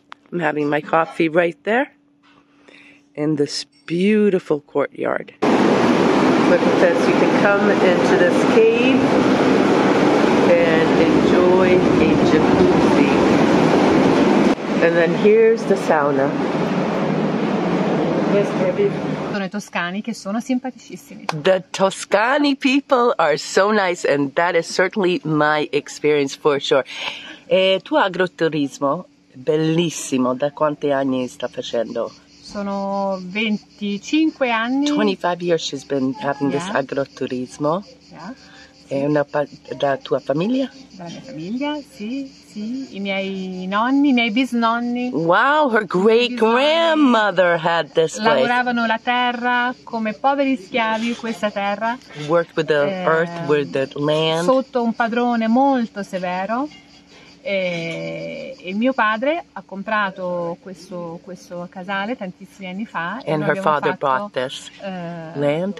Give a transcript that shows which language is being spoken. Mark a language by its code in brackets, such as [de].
[en] I'm having my coffee right there in this beautiful courtyard. Look at this, you can come into this cave and enjoy a jacuzzi. And then here's the sauna. [it] Yes, sono i toscani che sono simpaticissimi. [en] The Toscani people are so nice, and that is certainly my experience for sure. [it] E tu agroturismo, bellissimo, da quanti anni sta facendo? Sono 25 anni. [en] 25 years she's been having this agroturismo. Yeah. [it] Sì. E una da tua famiglia? Da mia famiglia, sì, sì. I miei nonni, i miei bisnonni. [en] Wow, her great-grandmother had this place. [it] Lavoravano la terra come poveri schiavi, questa terra. [en] Worked with the earth, with the land. [it] Sotto un padrone molto severo. E il mio padre ha comprato questo casale tantissimi anni fa. [en] And her father bought this land.